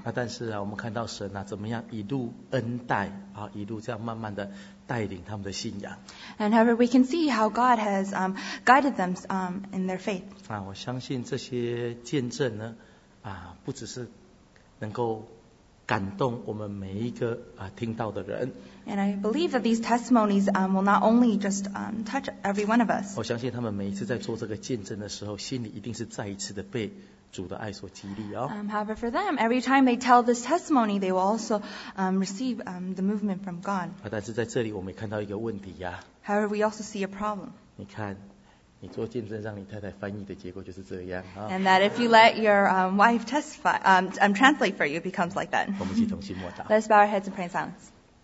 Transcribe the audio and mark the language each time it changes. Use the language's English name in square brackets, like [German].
[Chinese] 那但是啊，我们看到神啊，怎么样一路恩待啊，一路这样慢慢的带领他们的信仰。 [English] And however, we can see how God has guided them in their faith. [Chinese] 啊，我相信这些见证呢，啊，不只是能够感动我们每一个啊听到的人。 [English] And I believe that these testimonies will not only just touch every one of us. [Chinese] 我相信他们每一次在做这个见证的时候，心里一定是再一次的被主的爱所激励哦。 [English] However, for them, every time they tell this testimony, they will also receive the movement from God. [Chinese] 啊，但是在这里我们看到一个问题呀。 [English] However, we also see a problem. [Chinese] 你看，你做见证让你太太翻译的结果就是这样啊。 [English] And that if you let your wife testify, translate for you, it becomes like that. [Chinese] 我们一起同心默祷。 [English] Let's bow our heads and pray in silence.